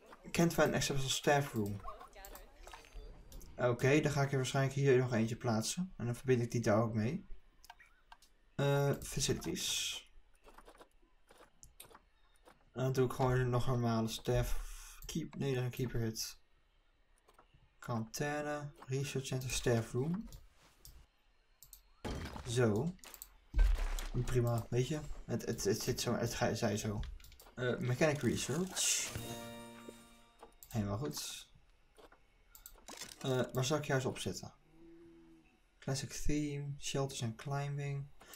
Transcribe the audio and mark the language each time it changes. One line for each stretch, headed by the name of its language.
English: Can't find an accessible staff room.
Dutch: Oké, dan ga ik er waarschijnlijk hier nog eentje plaatsen. En dan verbind ik die daar ook mee. Facilities. En dan doe ik gewoon nog een normale staff. Keep, nee, dan een keeper hit. Quarantaine.
English: Research center staff room.
Dutch: Zo. Prima, weet je. Het zit zo, het zei zo.
English: Mechanic research.
Dutch: Helemaal goed. Waar zou ik juist opzetten?
English: Classic theme, shelters and climbing.